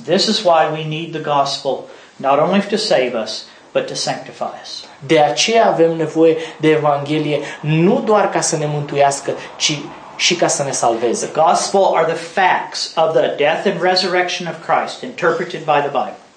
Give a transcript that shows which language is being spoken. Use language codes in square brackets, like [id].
[en] This is why we need the gospel, not only to save us, but to sanctify us. [ro] De aceea avem nevoie de Evanghelie, nu doar ca să ne mântuiască, ci și ca să ne salveze. [en] The gospel are the facts of the death and resurrection of Christ interpreted by the Bible.